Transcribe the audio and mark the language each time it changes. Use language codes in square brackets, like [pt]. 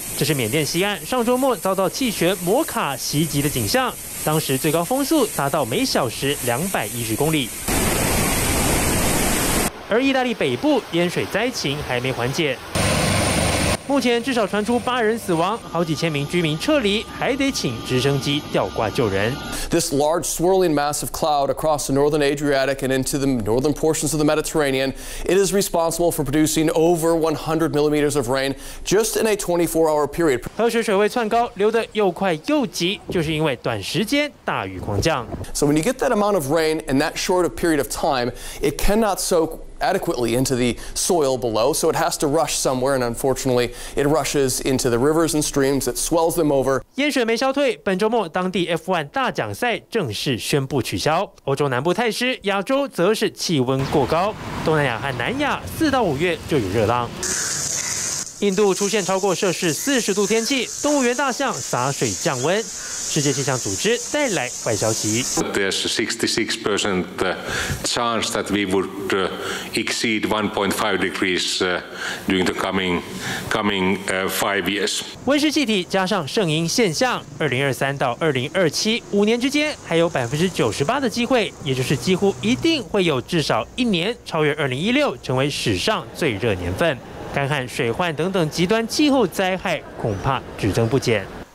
[zh] 这是缅甸西岸上周末遭到气旋摩卡袭击的景象，当时最高风速达到每小时210公里。而意大利北部淹水灾情还没缓解，目前至少传出8人死亡，好几千名居民撤离，还得请直升机吊挂救人。 [en] This large swirling mass of cloud across the northern Adriatic and into the northern portions of the Mediterranean, it is responsible for producing over 100 millimeters of rain just in a 24-hour period. [zh] 河水水位窜高，流得又快又急，就是因为短时间大雨狂降。 [en] So when you get that amount of rain in that short a period of time, it cannot soak. adequately into the soil below, so it has to rush somewhere, and unfortunately, it rushes into the rivers and streams that swells them over. [zh] 淹水没消退，本周末当地 F1 大奖赛正式宣布取消。欧洲南部太湿，亚洲则是气温过高。东南亚和南亚4到5月就有热浪。印度出现超过摄氏40度天气，动物园大象洒水降温。世界气象组织带来坏消息。 [en] There's a 66% chance that we would exceed 1.5 degrees during the coming 5 years. [zh] 温室气体加上圣婴现象，2023到2027五年之间还有98%的机会，也就是几乎一定会有至少一年超越2016，成为史上最热年份。干旱、水患等等极端气候灾害恐怕只增不减。